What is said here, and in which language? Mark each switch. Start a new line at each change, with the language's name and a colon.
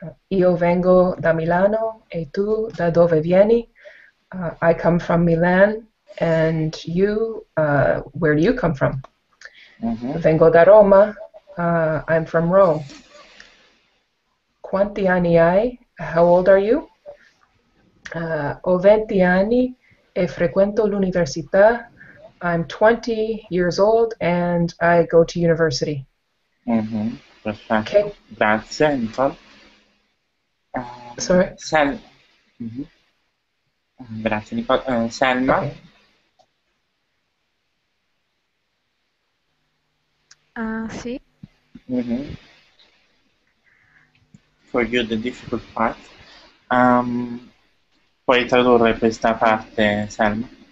Italian: Io vengo da Milano, e tu da dove vieni?
English: I come from Milan, and you, where do you come from?
Italian: Vengo da Roma,
English: I'm from Rome.
Italian: Quanti anni hai?
English: How old are you?
Italian: Ho 20 anni e frequento l'università.
English: I'm 20 years old and I go to university.
Italian: Perfetto. Okay. Grazie, Nicole.
English: Sorry?
Italian: Grazie, Nicole. Selma? Okay. Sì.
English: For you the difficult part.
Italian: Puoi tradurre questa parte, Selma?